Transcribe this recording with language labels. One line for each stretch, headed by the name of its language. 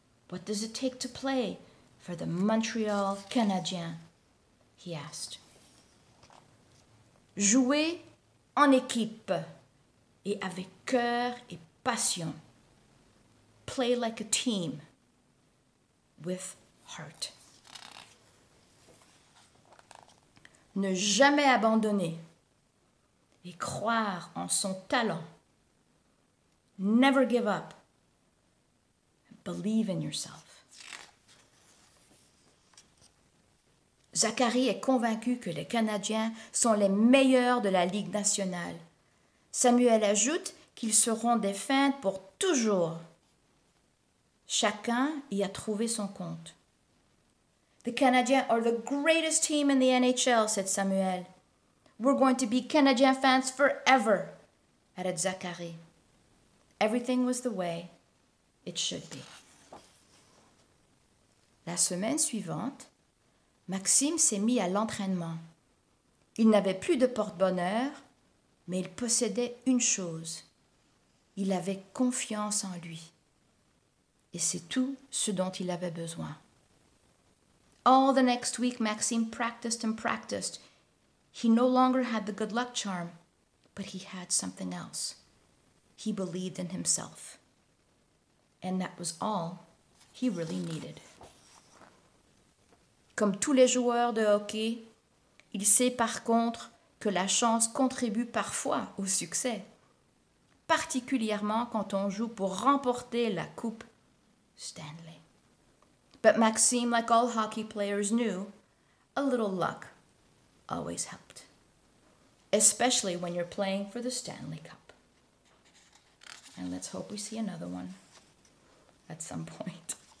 English: What does it take to play for the Montreal Canadiens? He asked.
French: Jouer en équipe et avec cœur et passion.
English: Play like a team with heart.
French: Ne jamais abandonner et croire en son talent.
English: Never give up. Believe in yourself.
French: Zachary est convaincu que les Canadiens sont les meilleurs de la Ligue nationale. Samuel ajoute qu'ils seront des feintes pour toujours. Chacun y a trouvé son compte.
English: The Canadiens are the greatest team in the NHL, said Samuel. We're going to be Canadian fans forever, added Zachary. Everything was the way it should be.
French: La semaine suivante, Maxime s'est mis à l'entraînement. Il n'avait plus de porte-bonheur, mais il possédait une chose. Il avait confiance en lui. Et c'est tout ce dont il avait besoin.
English: All the next week, Maxime practiced and practiced. He no longer had the good luck charm, but he had something else. He believed in himself. And that was all he really needed.
French: Comme tous les joueurs de hockey, il sait par contre que la chance contribue parfois au succès, particulièrement quand on joue pour remporter la Coupe Stanley.
English: But Maxime, like all hockey players knew, a little luck always helped, especially when you're playing for the Stanley Cup. And let's hope we see another one at some point.